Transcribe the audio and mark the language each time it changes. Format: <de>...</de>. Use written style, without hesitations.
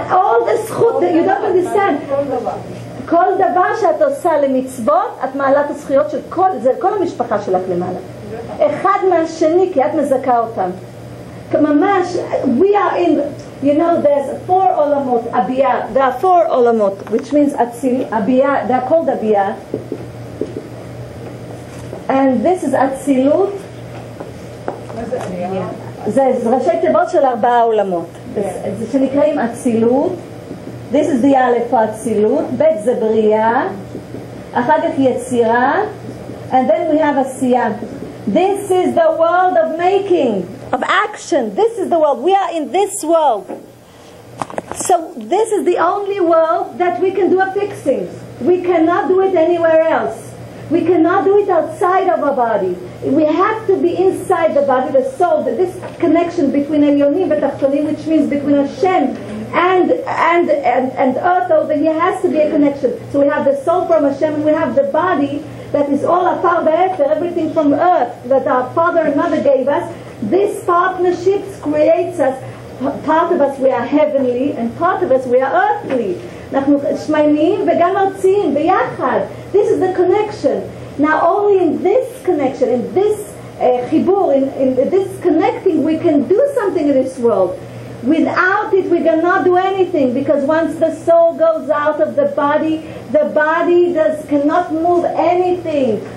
<en>All the schut that you don't understand.</en> <he>כל דבר שאת עושה למצוות, את מעלה את הזכויות של כל, זה כל המשפחה שלך למעלה. אחד מהשני, כי את מזכה אותם.</he> <en>ממש, we are in, you know, there's four עולמות, אביה, there are four עולמות, which means אצילי, אביה, they are called אביה. And this is אצילות.</en> <he>זה ראשי תיבות של ארבעה עולמות. זה שנקראים אצילות.</he> <en>This is the Aleph Atzilut, Bet Zebriya, Achagat Yetzira, and then we have Asiya. This is the world of making, of action. This is the world. We are in this world. So this is the only world that we can do a fixing. We cannot do it anywhere else. We cannot do it outside of our body. We have to be inside the body, the soul, this connection between Elyonim and Tachtonim, which means between Hashem and earth over here, has to be a connection. So we have the soul from Hashem, and we have the body that is all afar be'efer, everything from earth that our father and mother gave us. This partnership creates us. Part of us we are heavenly, and part of us we are earthly.</en> <he>אנחנו שמיימים וגם ארציים, ביחד.</he> <en>This is the connection. Now only in this connection, in this chibur, in this connecting, we can do something in this world. Without it, we cannot do anything, because once the soul goes out of the body does cannot move anything.</en>